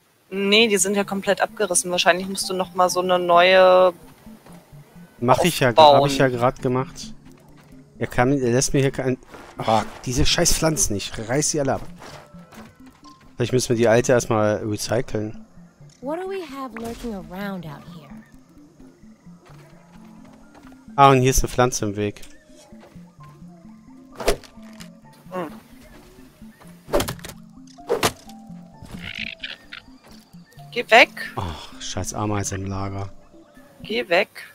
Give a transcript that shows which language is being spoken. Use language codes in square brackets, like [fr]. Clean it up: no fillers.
[de] Nee, die sind ja komplett abgerissen. Wahrscheinlich musst du noch mal so eine neue... Habe ich ja gerade gemacht. Er lässt mir hier kein... Oh, diese scheiß Pflanzen nicht. Reiß sie alle ab. Vielleicht müssen wir die alte erstmal recyceln. [en] What do we have lurking around out here? [de] Ah, und hier ist eine Pflanze im Weg. Geh weg. Ach, scheiß Ameise im Lager. Geh weg.